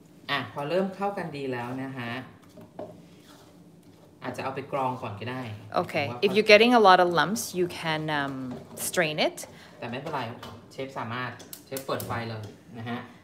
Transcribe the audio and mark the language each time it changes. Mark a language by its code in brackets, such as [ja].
[th] อ่ะพอเริ่มเข้ากันดีแล้วนะฮะอาจจะเอาไปกรองก่อนก็ได้ [en] Okay, if you're getting a lot of lumps, you can strain it. [th] แต่ไม่เป็นไรเชฟสามารถเชฟเปิดไฟเลยนะฮะ